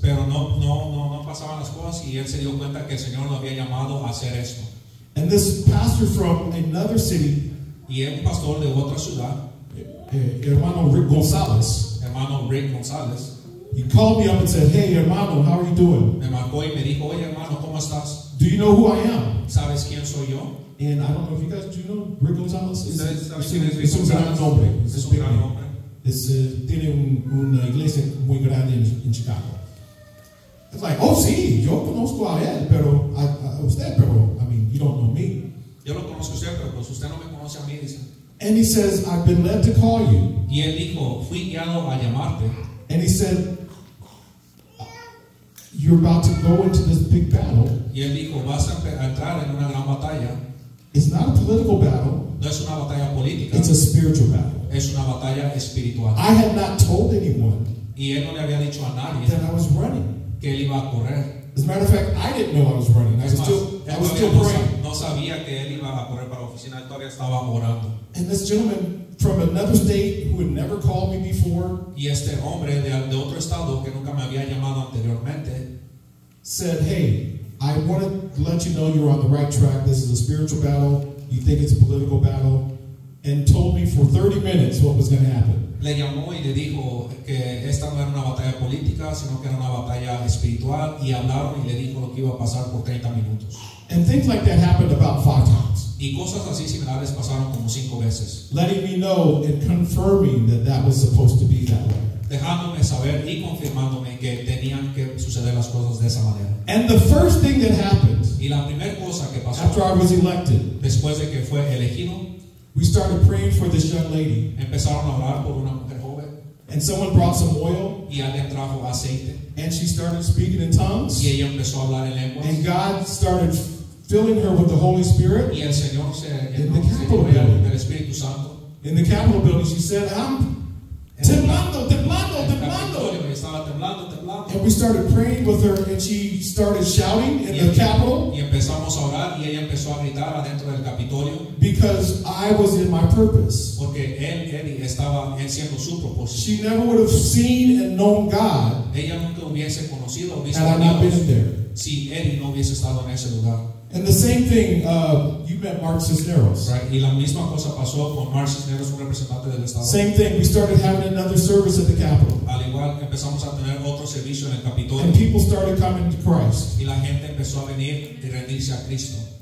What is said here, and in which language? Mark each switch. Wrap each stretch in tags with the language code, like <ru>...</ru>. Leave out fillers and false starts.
<es>Pero no pasaban las cosas y él se dio cuenta que el Señor lo había llamado a hacer esto.</es> <en>And this pastor from another city,</en> <es>y un pastor de otra ciudad,</es> <en>hermano Rick González, he called me up and said, hey, hermano, how are you doing?</en> <es>Me marcó y me dijo, oye, hermano, ¿cómo estás?</es> <en>Do you know who I am?</en> <es>¿Sabes quién soy yo?</es> <en>And I don't know if you guys, do you know Rick González? It's</en> <es>un gran nombre. Es un gran nombre. Tiene una iglesia muy grande en Chicago.</es> <en>It's like, oh,</en> <es>sí, yo conozco a él, pero a usted, pero,</es> <en>I mean, you don't know me.</en> <es>Yo lo conozco a usted, pero pues usted no me conoce a mí, dice.</es> <en>And he says, I've been led to call you.</en> <es>Y él dijo, fui guiado a llamarte.</es> <en>And he said, you're about to go into this big battle.</en> <es>Y él dijo, vas a entrar en una gran batalla.</es> <en>It's not a political battle.</en> <es>No es una batalla política.</es> <en>It's a spiritual battle.</en> <es>Es una batalla espiritual.</es> <en>I had not told anyone.</en> <es>Y él no le había dicho a nadie.</es> <en>That I was running.</en> <es>Que él iba a correr.</es> <en>As a matter of fact, I didn't know I was running. I was still praying.</en> <es>No sabía que él iba a correr para la oficina. Él todavía estaba orando.</es> <en>And this gentleman from another state who had never called me before.</en> <es>Y este hombre de otro estado que nunca me había llamado anteriormente.</es> <en>Said, hey, I want to let you know you're on the right track. This is a spiritual battle. You think it's a political battle. And told me for 30 minutes what was going to happen.</en> <es>Le llamó y le dijo que esta no era una batalla política, sino que era una batalla espiritual. Y hablaron y le dijo lo que iba a pasar por 30 minutos.</es> <en>And things like that happened about 5 times.</en> <es>Y cosas así similares pasaron como 5 veces.</es> <en>Letting me know and confirming that that was supposed to be that way.</en> <es>Dejándome saber y confirmándome que tenían que suceder las cosas de esa manera.</es> <en>And the first thing that happened.</en> <es>Y la primera cosa que pasó.</es> <en>After I was elected.</en> <es>Después de que fue elegido.</es> <en>We started praying for this young lady.</en> <es>Empezaron a orar por una mujer joven.</es> <en>And someone brought some oil.</en> <es>Y alguien trajo aceite.</es> <en>And she started speaking in tongues.</en> <es>Y ella empezó a hablar en lenguas.</es> <en>And God started filling her with the Holy Spirit.</en> <es>Y el Señor se</es> <en>in the Capitol building.</en> <es>El Espíritu Santo.</es> <en>In the Capitol building, she said, I'm</en> <es>temblando, temblando, temblando. Estaba temblando, temblando.</es> <en>And we started praying with her, and she started shouting in the Capitol.</en> <es>Y empezamos a orar, y ella empezó a gritar adentro del Capitolio.</es> <en>Because I was in my purpose.</en> <es>Porque él estaba haciendo su propósito.</es> <en>She never would have seen and known God.</en> <es>Ella nunca hubiese conocido, hubiese</es> <en>had I not been there.</en> <es>Si Eddie no hubiese estado en ese lugar.</es> <en>And the same thing, you met Mark Cisneros. Right.</en> <es>Y la misma cosa pasó con Mark Cisneros, un representante del estado.</es> <en>Same thing. We started having another service at the Capitol.</en> <es>Al igual, empezamos a tener otro servicio en el Capitolio.</es> <en>And people started coming to Christ.</en> <es>Y la gente empezó a venir y rendirse a Cristo.</es>